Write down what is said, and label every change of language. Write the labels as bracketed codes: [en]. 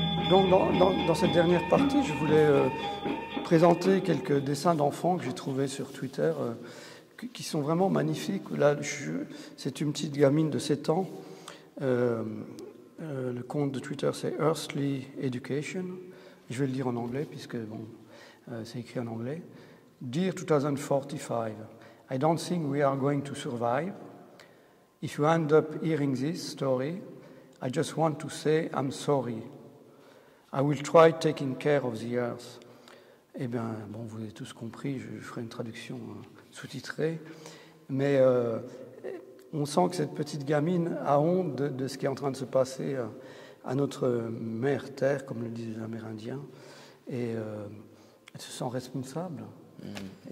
[fr] Donc, dans cette dernière partie, je voulais présenter quelques dessins d'enfants que j'ai trouvés sur Twitter, qui sont vraiment magnifiques. Là, c'est une petite gamine de 7 ans. Le compte de Twitter, c'est Earthly Education. Je vais le dire en anglais, puisque bon, c'est écrit en anglais. [en] Dear 2045, I don't think we are going to survive. If you end up hearing this story, I just want to say I'm sorry. I will try taking care of the earth. [fr] Eh bien, bon, vous avez tous compris, je ferai une traduction sous-titrée. Mais on sent que cette petite gamine a honte de ce qui est en train de se passer à notre mère terre, comme le disent les Amérindiens. Et elle se sent responsable. Mmh.